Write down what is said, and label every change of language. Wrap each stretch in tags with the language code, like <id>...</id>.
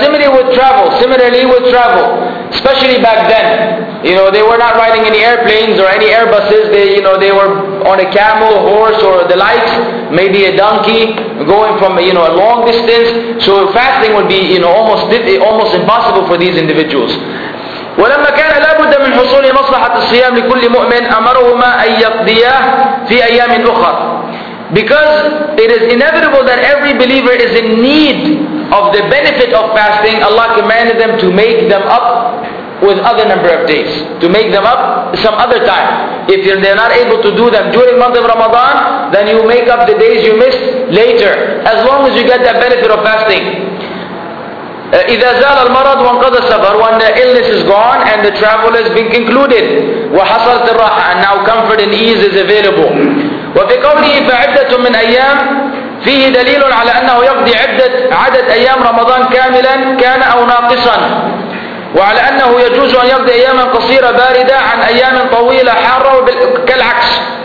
<en>Similarly with travel, especially back then. You know, they were not riding any airplanes or any Airbuses. They were on a camel, a horse, or the likes, maybe a donkey, going from a long distance. So fasting would be almost impossible for these individuals.</en> <ar>ولما كان لا بد من حصول مصلحة الصيام لكل مؤمن أمرهما أن يقضيا في أيام أخرى.</ar> <en>Because it is inevitable that every believer is in need of the benefit of fasting, Allah commanded them to make them up with other number of days, to make them up some other time. If they're not able to do them during month of Ramadan, then you make up the days you missed later, as long as you get that benefit of fasting.</en> <ar>إذا زال المرض وانقضى السفر,</ar> <en>when the illness is gone and the travel has been concluded,</en> <ar>وحصلت الراحة,</ar> <en>and now comfort and ease is available.</en> <ar>وفي قوله فعدة من أيام فيه دليل على أنه يقضي عدد أيام رمضان كاملا كان أو ناقصا, وعلى أنه يجوز أن يقضي أياما قصيرة باردة عن أيام طويلة حارة كالعكس.</ar>